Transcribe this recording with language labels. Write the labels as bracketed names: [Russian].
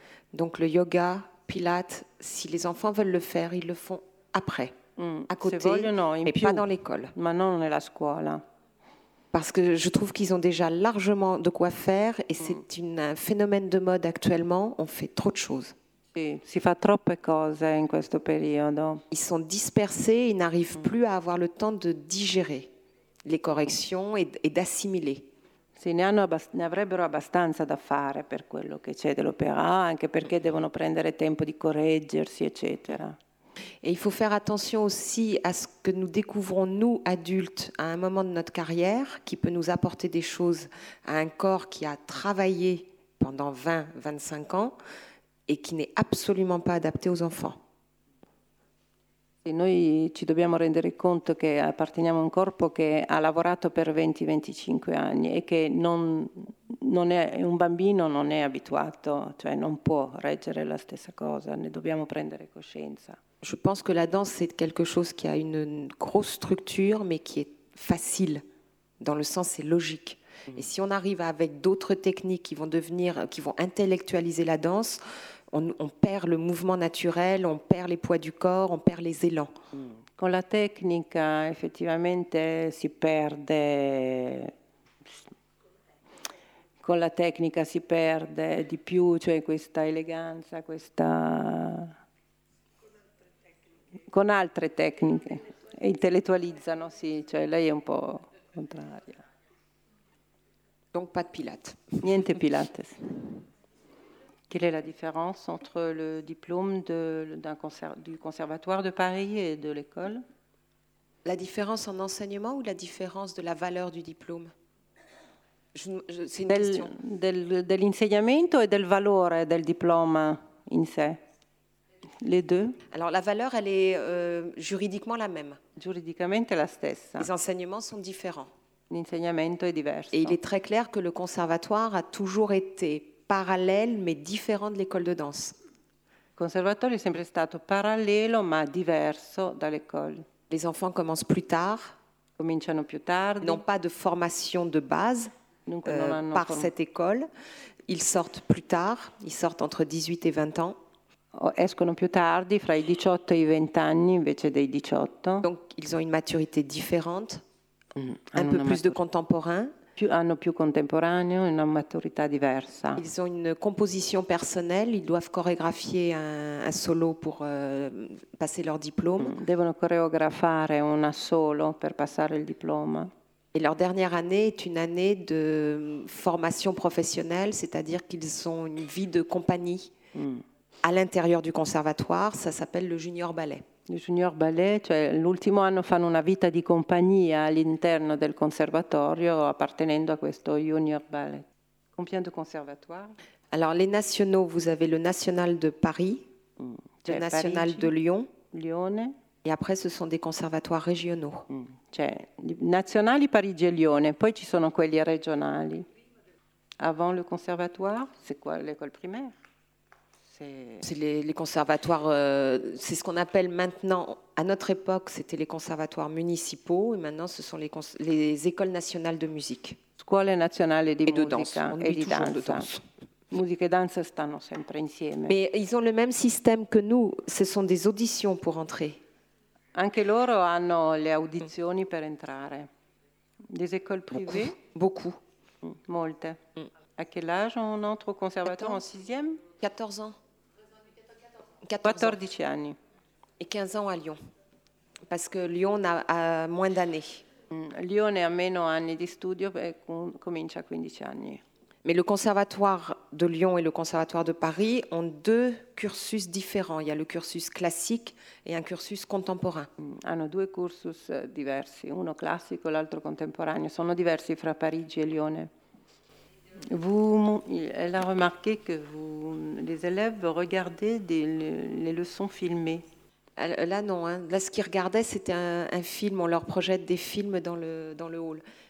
[French] Donc, le yoga, Pilates, si les enfants veulent le faire, ils le font après, à côté, [Italian] se vogliono, in [French] mais [Italian] più. [French] Pas dans l'école. Mais non, [Italian] nella scuola. [French] Parce que je trouve qu'ils ont déjà largement de quoi faire et c'est un phénomène de mode actuellement. On fait trop de choses. [Italian] Si fa troppe cose in questo periodo. [French] Ils sont dispersés, ils n'arrivent plus à avoir le temps de digérer les corrections et d'assimiler. [Italian] Sì, ne avrebbero abbastanza da fare per quello che c'è dell'opera, anche perché devono prendere tempo di correggersi, eccetera. [French] Et il faut faire attention aussi à ce que nous découvrons, nous, adultes, à un moment de notre carrière, qui peut nous apporter des choses à un corps qui a travaillé pendant 20-25 ans, [Italian] e che non è assolutamente adatto ai bambini. Noi ci dobbiamo rendere conto che apparteniamo a un corpo che ha lavorato per 20-25 anni e che non è un bambino, non è abituato, cioè non può reggere la stessa cosa, ne dobbiamo prendere coscienza. [French] Je pense que la danse c'est quelque chose qui a une grosse structure mais qui est facile dans le sens c'est logique. Et si on arrive avec d'autres techniques qui vont intellectualiser la danse, on perd le mouvement naturel, on perd les poids du corps, on perd les élans. [Italian] Con la tecnica, effettivamente, si perde. Con la tecnica si perde di più, cioè questa eleganza, questa. Con altre tecniche. E intellettualizzano, sì, cioè lei è un po' contraria. [French] Donc pas de Pilates. [Italian] Niente Pilates. [French] Quelle est la différence entre le diplôme du Conservatoire de Paris et de l'école? La différence en enseignement ou la différence de la valeur du diplôme? C'est une question. [Italian] Dell'insegnamento e del valore del diploma in sé. [French] les deux? Alors la valeur, elle est juridiquement la même. [Italian] Juridiquement la stessa. [French] Les enseignements sont différents. [Italian] L'insegnamento è diverso. [French] Et il est très clair que le conservatoire a toujours été parallèle mais différent de l'école de danse. [Italian] Il conservatorio è sempre stato parallelo ma diverso dall'école. [French] Les enfants commencent plus tard. [Italian] Cominciano più tardi. [French] N'ont pas de formation de base cette école. Ils sortent plus tard. Ils sortent entre 18 et 20 ans. [Italian] Escono più tardi, fra i 18 e i 20 anni invece dei 18. [French] Donc ils ont une maturité différente. Un peu plus de contemporain. [Italian] Hanno più contemporaneo, una maturità diversa. [French] Ils ont une composition personnelle, ils doivent chorégraphier un solo pour passer leur diplôme. [Italian] Devono coreografare un solo per passare il diploma. [French] Et leur dernière année est une année de formation professionnelle, c'est-à-dire qu'ils ont une vie de compagnie à l'intérieur du conservatoire, ça s'appelle le junior ballet. [Italian] Il junior ballet, cioè l'ultimo anno fanno una vita di compagnia all'interno del conservatorio appartenendo a questo junior ballet. [French] Combien de conservatoires? Alors les nationaux, vous avez le national de Paris, cioè, le national [Italian] Parigi, [French] de Lyon, [Italian] Lione, [French] et après ce sont des conservatoires régionaux. [Italian] Cioè nazionali Parigi e Lione, poi ci sono quelli regionali. [French] Avant le conservatoire, c'est quoi l'école primaire? C'est les conservatoires, c'est ce qu'on appelle maintenant, à notre époque, c'était les conservatoires municipaux, et maintenant, ce sont les écoles nationales de musique. [Italian] Scuole nazionale di musica [French] et de danse. On et dit toujours de danse. Musique et danse [Italian] stanno sempre insieme. [French] Mais ils ont le même système que nous, ce sont des auditions pour entrer. [Italian] Anche loro hanno le audizioni per entrare. [French] Des écoles privées? Beaucoup. [Italian] Molte. [French] À quel âge on entre au conservatoire? En sixième? 14 ans. [Italian] 14 anni. [French] Et 15 ans à Lyon. Parce que Lyon a moins d'années. [Italian] Lyon a meno anni di studio e comincia a 15 anni. [French] Mais le conservatoire de Lyon et le conservatoire de Paris ont deux cursus différents. Il y a le cursus classique et un cursus contemporain. [Italian] Hanno due cursus diversi, uno classico e l'altro contemporaneo. Sono diversi fra Parigi e Lyone. [French] Vous, elle a remarqué que vous, les élèves regardaient les leçons filmées. Là, non. Hein. Là, ce qu'ils regardaient, c'était un film. On leur projette des films dans le hall.